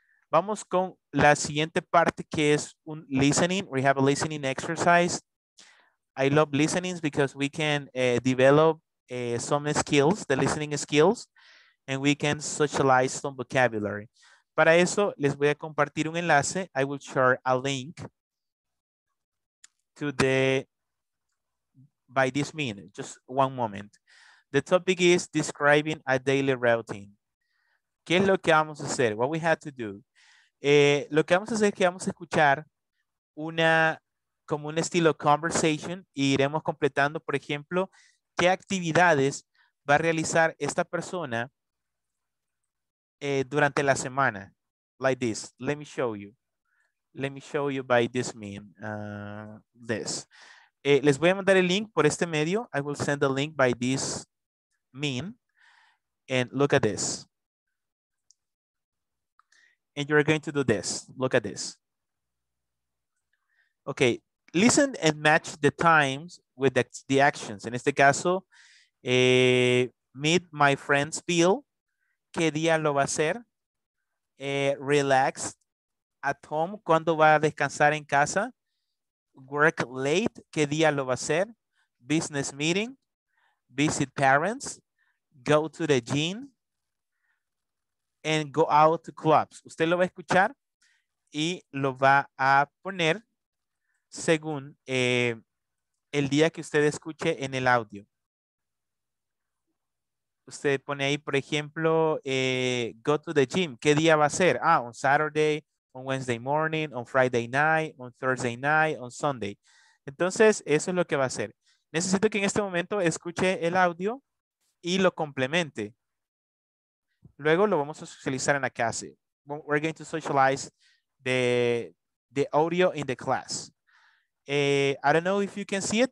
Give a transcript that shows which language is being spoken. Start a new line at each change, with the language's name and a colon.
Spanish: Vamos con la siguiente parte que es un listening.
English: We have a listening exercise. I love listenings because we can develop some skills, the listening skills, and we can socialize some vocabulary.
Spanish: Para eso, les voy a compartir un enlace.
English: I will share a link to the, by this mean, just one moment. The topic is describing a daily routine.
Spanish: ¿Qué es lo que vamos a hacer?
English: What we have to do?
Spanish: Lo que vamos a hacer es que vamos a escuchar una, como un estilo conversation, y iremos completando, por ejemplo, qué actividades va a realizar esta persona durante la semana.
English: Like this. Let me show you. Let me show you by this mean. This.
Spanish: Les voy a mandar el link por este medio.
English: I will send the link by this mean. And look at this. And you're going to do this. Look at this. Okay. Listen and match the times with the actions.
Spanish: En este caso,
English: meet my friend's Bill.
Spanish: ¿Qué día lo va a hacer?
English: Relax at home,
Spanish: cuando va a descansar en casa.
English: Work late,
Spanish: que día lo va a hacer.
English: Business meeting, visit parents, go to the gym, and go out to clubs.
Spanish: Usted lo va a escuchar y lo va a poner según el día que usted escuche en el audio. Usted pone ahí, por ejemplo,
English: go to the gym.
Spanish: ¿Qué día va a ser?
English: Ah, on Saturday, on Wednesday morning, on Friday night, on Thursday night, on Sunday.
Spanish: Entonces, eso es lo que va a hacer. Necesito que en este momento escuche el audio y lo complemente. Luego lo vamos a socializar en la clase.
English: We're going to socialize the audio in the class. I don't know if you can see it.